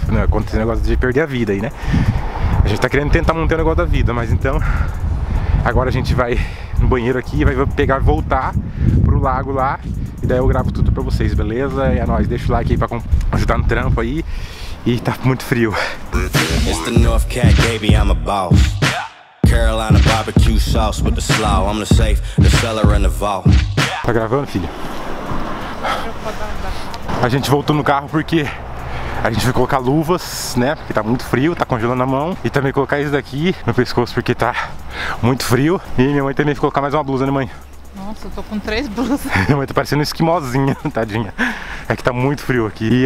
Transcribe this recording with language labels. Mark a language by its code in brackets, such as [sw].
[pt] Quando esse negócio de perder a vida aí, né? A gente tá querendo tentar manter o negócio da vida, mas então agora a gente vai no banheiro aqui, vai pegar, voltar pro lago lá e daí eu gravo tudo pra vocês, beleza? E é nóis, deixa o like aí pra ajudar no trampo aí e tá muito frio. [en] It's the North Cat, baby, I'm a boss. Carolina barbecue sauce with the slaw. I'm the safe, the cellar and the vault. [pt] Tá gravando, filho? A gente voltou no carro porque a gente vai colocar luvas, né? Porque tá muito frio, tá congelando a mão. E também colocar isso daqui no pescoço, porque tá muito frio. E minha mãe também vai colocar mais uma blusa, né, mãe? Nossa, eu tô com três blusas. Minha mãe tá parecendo um esquimozinho, tadinha. É que tá muito frio aqui.